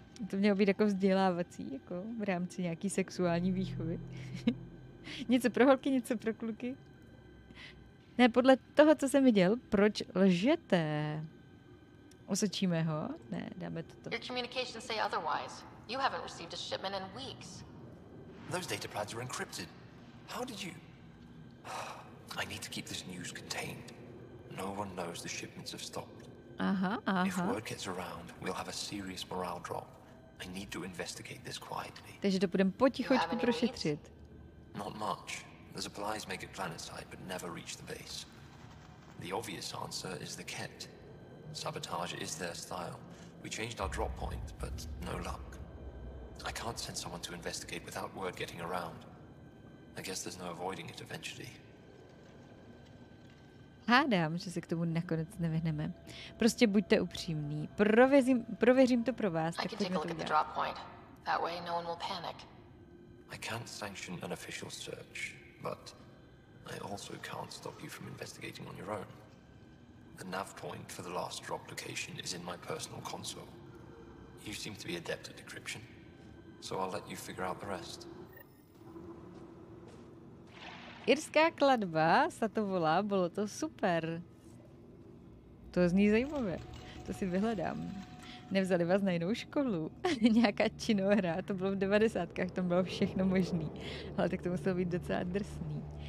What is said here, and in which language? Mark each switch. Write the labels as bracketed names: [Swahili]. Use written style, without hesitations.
[Czech] To mělo být jako vzdělávací, jako v rámci nějaký sexuální výchovy. Něco pro holky, něco pro kluky. Ne, podle toho, co jsem viděl, proč lžete? Osočíme ho? Ne, dáme toto. [English] Your communications say otherwise. You haven't received a shipment in weeks. Those data plans are encrypted. How did you... I need to keep this news contained. No one knows the shipments have stopped. [Czech] Aha. [English] If word gets around, we'll have a serious morale drop. I need to investigate this quietly. [Czech] Takže to budeme potichučku prošetřit. [English] Not much. The supplies make it planetside, but never reach the base. The obvious answer is the Kett. Sabotage is their style. We changed our drop point, but no luck. I can't send someone to investigate without word getting around. I guess there's no avoiding it eventually. [Czech] Hádám, že se k tomu nakonec nevyhneme. Prostě buďte upřímní. Prověřím to pro vás. [English] I can take a look at the drop point. That way no one will panic. I can't sanction an official search, but I also can't stop you from investigating on your own. The nav point for the last drop location is in my personal console. You seem to be adept at decryption, so I'll let you figure out the rest. [Czech] Irská kladba, se to volá, bylo to super. To zní zajímavě, to si vyhledám. Nevzali vás na jinou školu, nějaká činohra, to bylo v 90. tam bylo všechno možný. Ale tak to muselo být docela drsný.